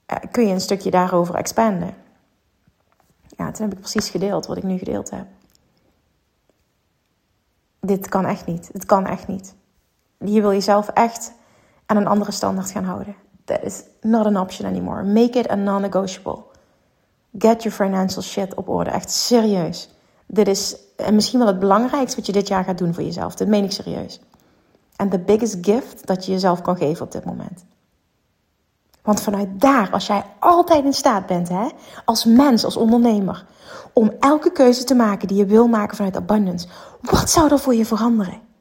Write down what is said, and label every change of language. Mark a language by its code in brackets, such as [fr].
[nl] Kun je een stukje daarover expanden? Ja, toen heb ik precies gedeeld wat ik nu gedeeld heb. Dit kan echt niet. Het kan echt niet. Je wil jezelf echt aan een andere standaard gaan houden. [en] That is not an option anymore. Make it a non-negotiable. Get your financial shit [nl] op orde. Echt serieus. Dit is misschien wel het belangrijkste wat je dit jaar gaat doen voor jezelf. Dit meen ik serieus. [en] And the biggest gift [nl] dat je jezelf kan geven op dit moment. Want vanuit daar, als jij altijd in staat bent, hè, als mens, als ondernemer, om elke keuze te maken die je wil maken vanuit abundance, wat zou er voor je veranderen?